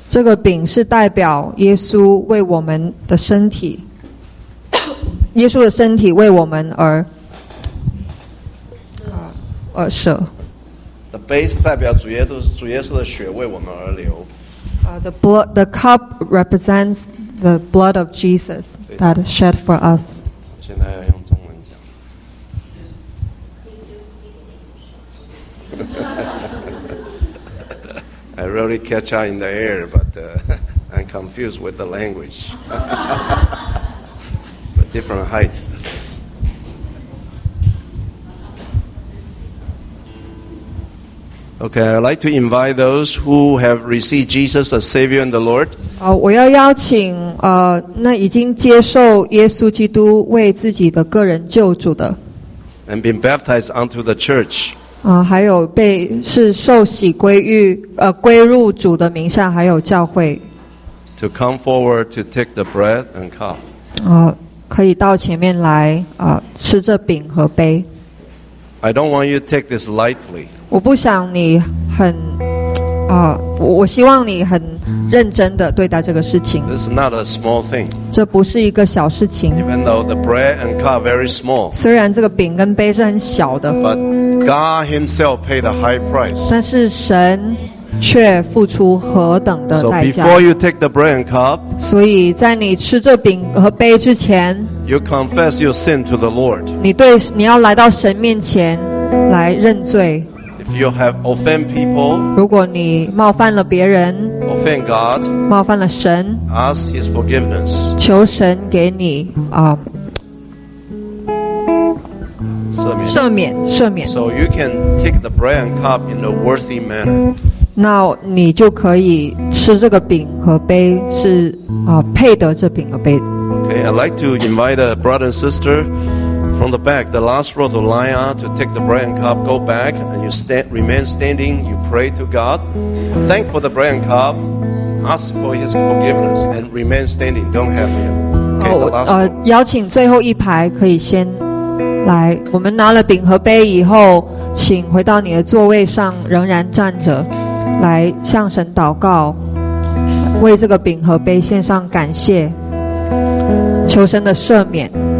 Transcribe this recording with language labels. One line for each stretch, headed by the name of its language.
Chinese: 这个饼是代表耶稣为我们的身体，耶稣的身体为我们而舍。
English: The base
Chinese: 代表主耶稣的血为我们而流。
English: The cup represents the blood of Jesus that is shed for us.
Chinese: 现在要用中文讲。
English: I really catch up in the air, but I'm confused with the language. But different height. Okay, I'd like to invite those who have received Jesus as Savior and the Lord.
Chinese: 我要邀请那已经接受耶稣基督为自己的个人救主的。
English: And been baptized unto the church.
Chinese: 还有被是受洗归于归入主的名下，还有教会。
English: To come forward to take the bread and cup.
Chinese: 可以到前面来吃这饼和杯。
English: I don't want you to take this lightly.
Chinese: 我不想你很我希望你很认真地对待这个事情。
English: This is not a small thing.
Chinese: 这不是一个小事情。
English: Even though the bread and cup are very small.
Chinese: 虽然这个饼跟杯是很小的。
English: But God himself paid a high price.
Chinese: 但是神却付出何等的代价。
English: So before you take the bread and cup.
Chinese: 所以在你吃这饼和杯之前。
English: You confess your sin to the Lord.
Chinese: 你要来到神面前来认罪。
English: If you have offend people,
Chinese: 如果你冒犯了别人，
English: offend God,
Chinese: 冒犯了神，
English: ask His forgiveness.
Chinese: 求神给你赦免。
English: So you can take the bread and cup in a worthy manner.
Chinese: 那你就可以吃这个饼和杯是配得这饼和杯。
English: Okay, I'd like to invite a brother and sister from the back, the last row to line up to take the bread and cup. Go back and you remain standing. You pray to God, thank for the bread and cup, ask for His forgiveness, and remain standing. Don't have him. Okay, the last row.
Chinese: 邀请最后一排可以先来，我们拿了饼和杯以后，请回到你的座位上，仍然站着，来向神祷告，为这个饼和杯献上感谢，求神的赦免。